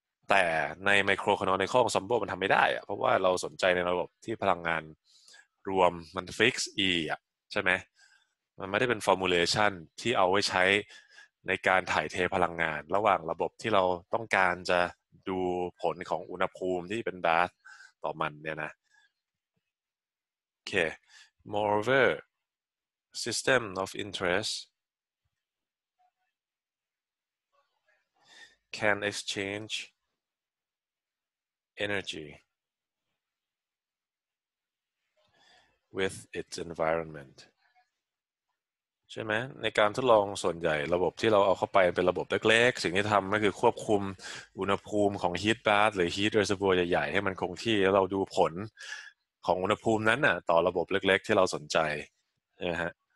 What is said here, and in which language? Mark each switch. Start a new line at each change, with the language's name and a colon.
Thai: แต่ในไมโครคานอนิคอลซัมโบมันทำไม่ได้อะเพราะว่าเราสนใจในระบบที่พลังงานรวมมันฟิกซ์ E อ่ะใช่ไหมมันไม่ได้เป็น formulation ที่เอาไว้ใช้ในการถ่ายเทพลังงานระหว่างระบบที่เราต้องการจะดูผลของอุณหภูมิที่เป็นบาสต่อมันเนี่ยนะ
English: Okay. Moreover, system of interest can exchange energy with its environment.
Thai: ใช่ไหมในการทดลองส่วนใหญ่ระบบที่เราเอาเข้าไปเป็นระบบเล็กๆสิ่งที่ทำก็คือควบคุมอุณหภูมิของ heat bath หรือ heat reservoir ใหญ่ๆให้มันคงที่แล้วเราดูผลของอุณหภูมินั้นน่ะต่อระบบเล็กๆที่เราสนใจใช่ไหมฮะ